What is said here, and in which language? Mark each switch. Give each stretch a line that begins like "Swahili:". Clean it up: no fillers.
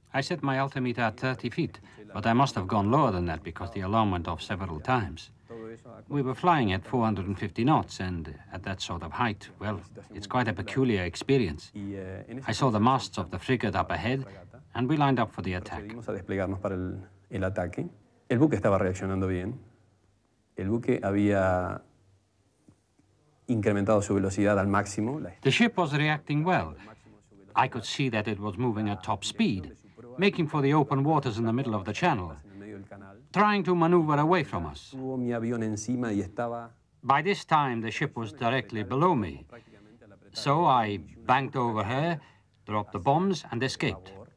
English: I set my altimeter at 30 feet, but I must have gone lower than that because the alarm went off several times. We were flying at 450 knots, and at that sort of height, well, it's quite a peculiar experience. I saw the masts of the frigate up ahead, and we lined up for the attack.
Spanish: Procedimos a desplegarnos para el ataque. El buque estaba reaccionando bien. El buque había incrementado su velocidad al máximo.
English: The ship was reacting well. I could see that it was moving at top speed, making for the open waters in the middle of the channel, trying to maneuver away from us. By this time, the ship was directly below me. So I banked over her, dropped the bombs, and escaped.